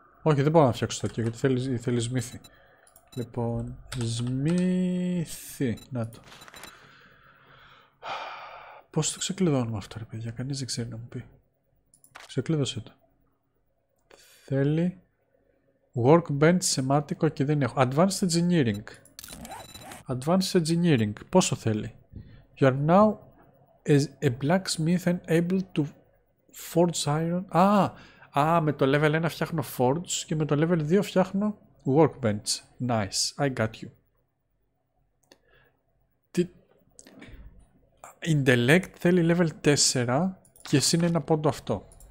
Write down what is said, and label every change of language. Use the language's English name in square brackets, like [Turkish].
[Greek] Όχι, δεν μπορώ να φτιάξω τέτοιο γιατί θέλει σμύθι. Λοιπόν, σμύθι. Να το. Πώς το ξεκλειδώνουμε αυτό, ρε παιδιά? Κανείς δεν ξέρει να μου πει. Ξεκλείδωσε το. Θέλει workbench σημάτικο και δεν έχω. Advanced engineering. Advanced engineering. Πόσο θέλει? [English] You are now a blacksmith and able to forge iron. [Greek] Με το level 1 φτιάχνω forge και με το level 2 φτιάχνω workbench. [English] Nice. I got you. [Greek] Intellect θέλει level 4 και εσύ είναι ένα πόντο αυτό.